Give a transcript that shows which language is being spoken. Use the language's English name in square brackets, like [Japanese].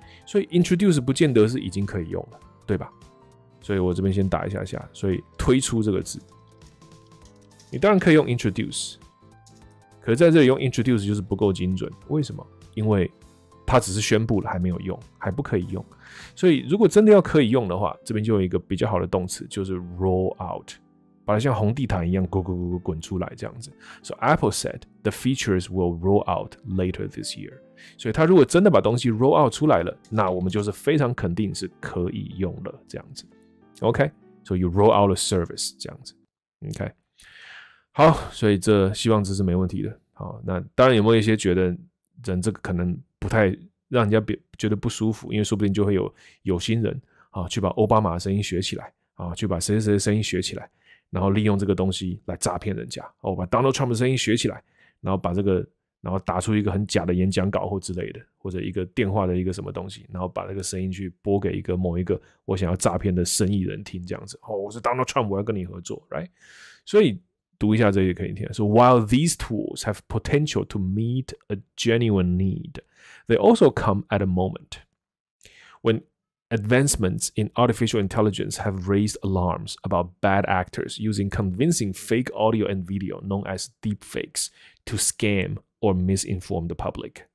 [Chinese] 所以 introduce 不见得是已经可以用了，对吧？所以我这边先打一下下，所以推出这个字，你当然可以用 introduce， 可是在这里用 introduce 就是不够精准，为什么？因为它只是宣布了，还没有用，还不可以用。所以如果真的要可以用的话，这边就有一个比较好的动词，就是 roll out， 把它像红地毯一样滚滚滚滚滚出来这样子。 [English] So Apple said the features will roll out later this year。 [Chinese] 所以他如果真的把东西 roll out 出来了，那我们就是非常肯定是可以用了这样子。 OK， [English] so you roll out a service [Chinese] 这样子 ，OK， 好，所以这希望这是没问题的。好，那当然有没有一些觉得人这个可能不太让人家觉得不舒服，因为说不定就会有心人啊去把奥巴马的声音学起来啊，去把谁谁谁的声音学起来，然后利用这个东西来诈骗人家哦，把 Donald Trump 的声音学起来，然后把这个然后打出一个很假的演讲稿或之类的。或者一个电话的一个什么东西，然后把那个声音去播给一个某一个我想要诈骗的生意人听，这样子。哦，我是 Donald Trump， 我要跟你合作 ，right？所以读一下这个可以听。 [English] So while these tools have potential to meet a genuine need, they also come at a moment when advancements in artificial intelligence have raised alarms about bad actors using convincing fake audio and video known as deepfakes to scam or misinform the public.